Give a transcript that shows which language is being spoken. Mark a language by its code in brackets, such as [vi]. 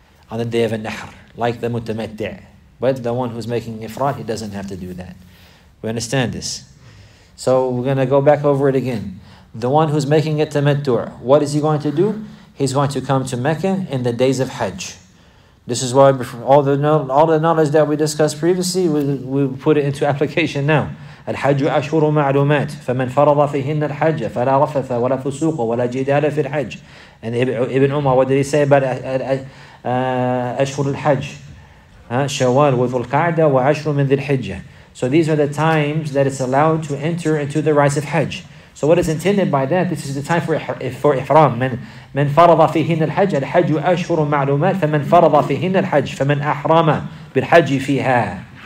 [en] On the day of an-nahr, like the mutamatti'. But the one who's making ifrat, he doesn't have to do that. We understand this. So we're going to go back over it again. The one who's making a tamattu', what is he going to do? He's going to come to Mecca in the days of hajj. This is why all the knowledge that we discussed previously, we put it into application now. [ar] الحج أشهر معلومات فمن فرض فيهن الحج فلا رفث ولا فسوق ولا جدال في الحج. [en] And Ibn Umar, what did he say about [ar] أشهر الحج? شوال وذل قعدة وعشر من ذي الحجة. [en] So these are the times that it's allowed to enter into the rites of Hajj. So what is intended by that? This is the time for Ihram. [ar] من فرض فيهن الحج الحج أشهر معلومات فمن فرض فيهن الحج فمن أحرم بالحج فيها.